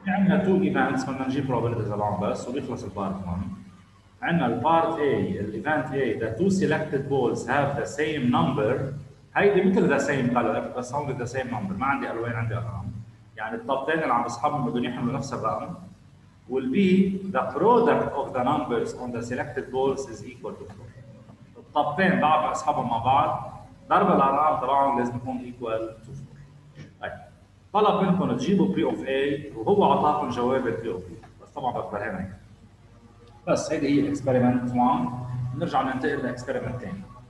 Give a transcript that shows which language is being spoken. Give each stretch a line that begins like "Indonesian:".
Arabic: في عندنا two events بدنا نجيب probabilities تبعهم بس وبيخلص البارت هون. عندنا البارت A الايفنت A
English: the two selected balls have the same number،
Arabic: هيدي مثل
English: the same color
Arabic: بس هون
English: the same number،
Arabic: ما عندي الوان عندي ارقام، يعني الطابتين اللي عم بسحبهم بدهم يحملوا نفس الرقم.
English: وال B the product of the numbers on the selected balls is equal to 4.
Arabic: الطابتين بعض اسحبهم مع بعض ضرب الارقام تبعهم لازم يكون
English: equal to 4.
Arabic: طلب منكم تجيبوا P of A وهو عطاكم جواب P of B، بس طبعا بتبرهن هيك بس. هيدي هي الاكسبيرمنت 1. بنرجع ننتقل للاكسبيرمنت الثاني.